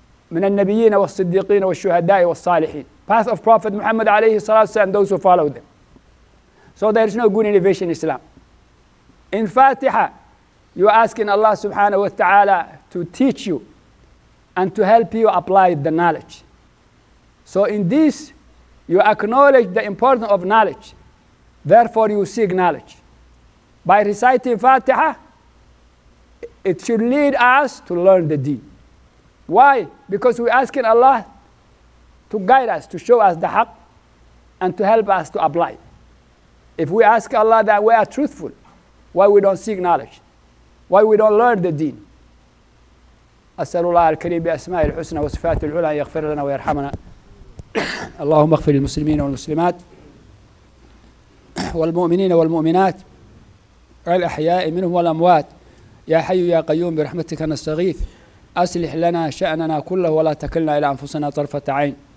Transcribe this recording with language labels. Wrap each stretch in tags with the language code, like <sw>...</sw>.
<ar>من النبيين والصديقين والشهداء والصالحين.</ar> <en>Path of Prophet Muhammad alayhi salatu wasalam and those who follow them. So there is no good innovation in Islam. In Fatiha, you are asking Allah subhanahu wa ta'ala to teach you and to help you apply the knowledge. So in this, you acknowledge the importance of knowledge. Therefore, you seek knowledge. By reciting Fatiha, it should lead us to learn the deen. Why? Because we're asking Allah to guide us, to show us the haqq, and to help us to apply. If we ask Allah that we are truthful, why we don't seek knowledge? Why we don't learn the deen?</en> <ar>أسأل الله الكريم بأسماء الحسنى وصفات العلى أن يغفر لنا ويرحمنا اللهم اغفر للمسلمين والمسلمات والمؤمنين والمؤمنات الأحياء منهم والأموات يا حي يا قيوم برحمتك نستغيث أصلح لنا شأننا كله ولا تكلنا إلى أنفسنا طرفة عين</ar>